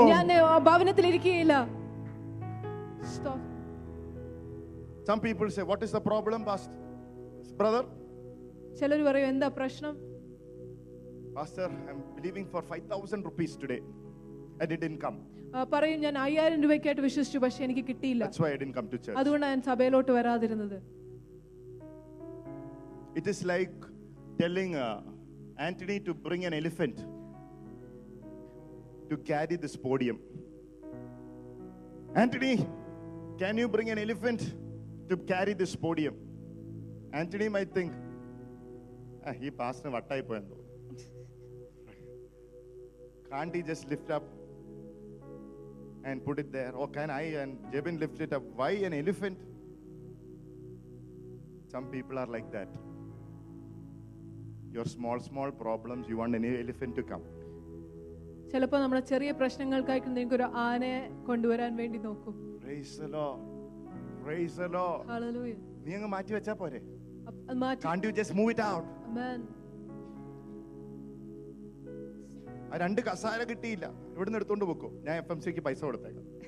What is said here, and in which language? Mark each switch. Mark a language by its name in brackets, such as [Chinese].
[Malayalam] ഞാൻ ഭവനത്തിൽ ഇരിക്കുകയില്ല. Stop. [English] Some people say, what is the problem, pastor? Brother? [Malayalam] ചിലർ പറയും, എന്താ പ്രശ്നം? [English] Pastor, I'm believing for 5000 rupees today and it didn't come. [Malayalam] പറയും, ഞാൻ 5000 രൂപയ്ക്കായിട്ട് വിശ്വസിച്ചു, പക്ഷേ എനിക്ക് കിട്ടിയില്ല. [English] That's why I didn't come to church. [Malayalam] അതുകൊണ്ടാണ് ഞാൻ സഭയിലോട്ട് വരാതിരുന്നത്. [English] It is like telling Anthony to bring an elephant to carry this podium. Anthony, can you bring an elephant to carry this podium? Anthony might think, he passed [Malayalam] na vattai poyando. [English] Can't he just lift up and put it there? Or can I and Jebin lift it up? Why an elephant? Some people are like that. Your small problems, you want an elephant to come. [Malayalam] ചിലപ്പോ നമ്മുടെ ചെറിയ പ്രശ്നങ്ങൾക്കായി നിങ്ങൾക്ക് ഒരു ആനയെ കൊണ്ടുവരാൻ വേണ്ടി നോക്കും. [English] Praise the Lord. Praise the Lord. Hallelujah. [Malayalam] നീ അങ്ങ് മാറ്റി വെച്ചാ പോരെ. [English] Can't you just move it out? Amen. [Malayalam] ആ രണ്ട് കസാര കിട്ടിയില്ല, ഇവിടുന്ന് എടുത്തോണ്ട് പോക്കോ, ഞാൻ FMCക്ക് പൈസ കൊടുത്തേക്കാം.